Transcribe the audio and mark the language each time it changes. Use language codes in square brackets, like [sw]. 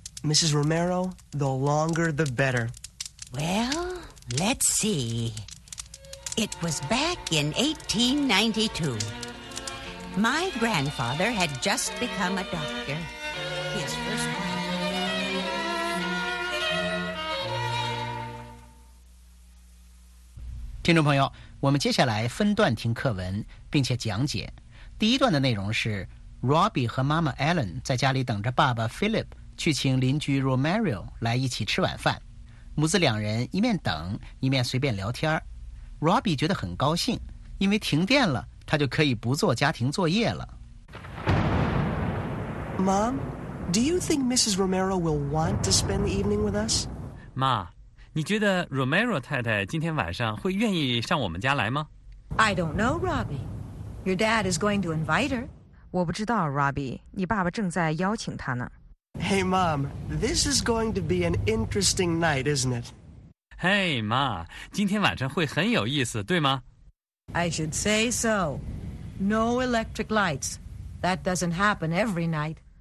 [en] Mrs. Romero, the longer the better. Well, let's see. It was back in 1892. My grandfather had just become a doctor. His first one. [zh] ,听众朋友, 我们接下来分段听课文,并且讲解。第一段的内容是 Robbie 和妈妈 Ellen 在家里等着爸爸 Philip 去请邻居 Romero 来一起吃晚饭。母子两人一面等,一面随便聊天。 Robbie 觉得很高兴,因为停电了,他就可以不做家庭作业了。 [en] Mom, do you think Mrs. Romero will want to spend the evening with us? [zh] 妈, 你觉得 Romero 太太今天晚上会愿意上我们家来吗? [en] I don't know, Robbie. Your dad is going to invite her. [zh] 我不知道, Robbie. 你爸爸正在邀请她呢。 [en] Hey, Mom, this is going to be an interesting night, isn't it? Hey, Ma, [zh] 今天晚上会很有意思,对吗? [en] I should say so. No electric lights. That doesn't happen every night.